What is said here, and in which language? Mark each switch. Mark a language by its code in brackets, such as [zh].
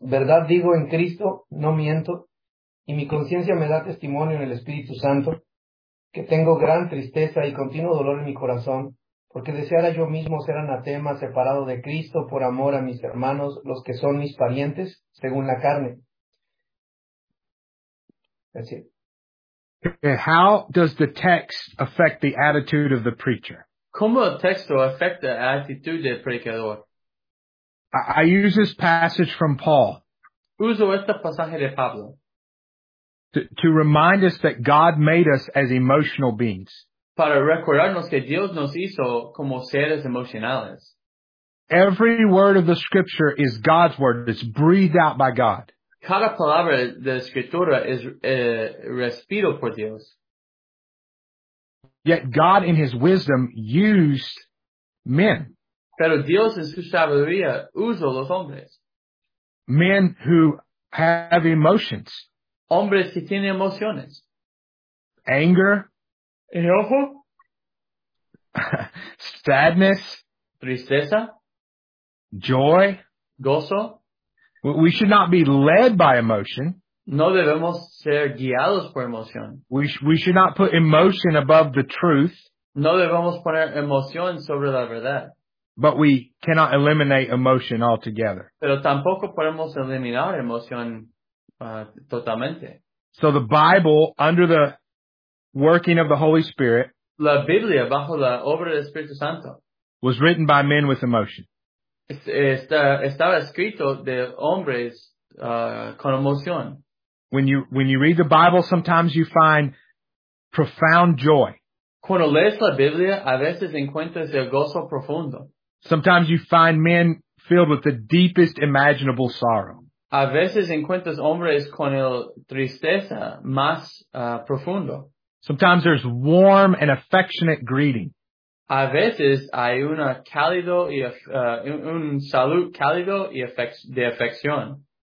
[es] Verdad digo en Cristo, no miento, y mi conciencia me da testimonio en el Espíritu Santo, que tengo gran tristeza y continuo dolor en mi corazón, porque deseara yo mismo ser anatema separado de Cristo por amor a mis hermanos, los que son mis parientes, según la carne. [en] That's it. How does the text affect the attitude of the preacher? [es] ¿Cómo el texto afecta la actitud del predicador? [en] I use this passage from Paul. [es] Uso este pasaje de Pablo. [en] To remind us that God made us as emotional beings. [es] Para recordarnos que Dios nos hizo como seres emocionales. [en] Every word of the scripture is God's word. It's breathed out by God. [es] Cada palabra de la escritura es respiro por Dios. [en] Yet God in his wisdom used men. [es] Pero Dios en su sabiduría usó los hombres. [en] Men who have emotions. [es] Hombres que tienen emociones. [en] Anger. [es] Enojo. [en] Sadness. [es] Tristeza. [en] Joy. [es] Gozo. [en] We should not be led by emotion. [es] No debemos ser guiados por emoción. [en] We should not put emotion above the truth. [es] No debemos poner emoción sobre la verdad. [en] But we cannot eliminate emotion altogether. [es] Pero tampoco podemos eliminar emoción totalmente. [en] So the Bible, under the working of the Holy Spirit, [es] la Biblia bajo la obra del Espíritu Santo, [en] was written by men with emotion. [es] Estaba escrito de hombres con emoción. [en] When you read the Bible, sometimes you find profound joy. [es] Cuando lees la Biblia, a veces encuentras el gozo profundo. [en] Sometimes you find men filled with the deepest imaginable sorrow. [es] A veces encuentras hombres con el tristeza más profundo. [en] Sometimes there's warm and affectionate greeting. [es] A veces hay una cálido y un salud cálido y de afección.